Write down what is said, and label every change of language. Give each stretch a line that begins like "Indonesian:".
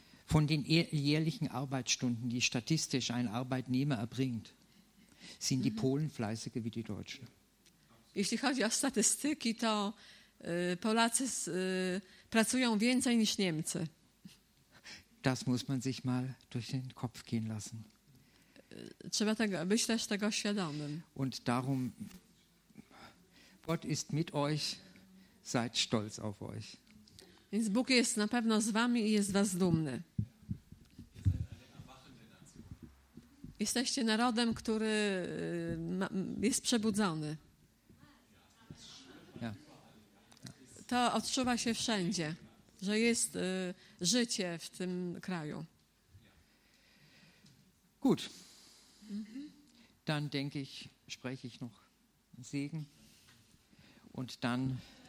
German: Von den jährlichen Arbeitsstunden, die statistisch ein Arbeitnehmer erbringt, sind die Polen fleißiger wie die Deutschen.
Polish: Jeśli chodzi o statystyki, to Polacy pracują więcej niż Niemcy.
German: Das muss man sich mal durch den Kopf gehen lassen.
Polish: Trzeba tego, być też tego świadomym.
German: Und darum, Gott ist mit euch, seid stolz auf euch.
Polish: Więc Bóg jest na pewno z wami i jest was dumny. Jesteście narodem, który jest przebudzony. Ja. To odczuwa się wszędzie, że jest życie w tym kraju.
German: Gut. Dann denke ich, spreche ich noch einen Segen und dann.